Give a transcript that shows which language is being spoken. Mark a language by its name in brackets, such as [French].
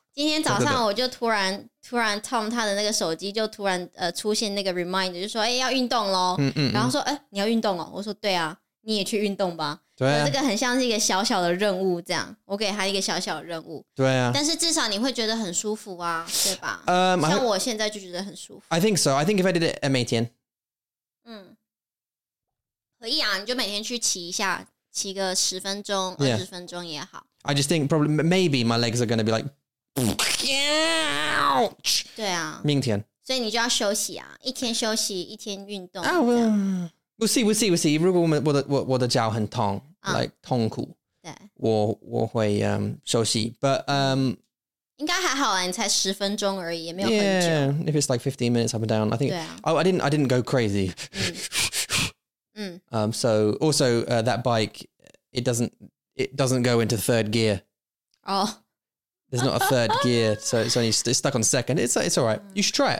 [Chinese] 今天早上我就突然 Tom 他的那个手机就突然出现那个 reminder， 就说哎要运动咯，嗯嗯，然后说哎你要运动哦，我说对啊，你也去运动吧。对、啊，这个很像是一个小小的任务，这样我给他一个小小的任务。对啊，但是至少你会觉得很舒服啊，对吧？像我现在就觉得很舒服。 [English] I think so. I think if I did it [Chinese] 每天， [English] 嗯， [Chinese] 可以啊，你就每天去骑一下，骑个十分钟、二、yeah. 十分钟也好。 [English] I just think probably maybe my legs are going to be like, ouch. [Chinese] 对啊，明天，所以你就要休息啊，一天休息，一天运动。 [English] Oh, we'll see. [Chinese] 如果我的脚很痛。Like 痛苦，对，我会休息 ， [English] but [Chinese] 应该还好啊，你才十分钟而已，也没有很久。 [English] Yeah, if it's like 15 minutes up and down, I think. [Chinese] 对啊。 [English] Oh, I didn't go crazy. 嗯。 So also that bike, it doesn't go into third gear. Oh. There's not a third gear, so it's only stuck on second. It's all right. You should try it.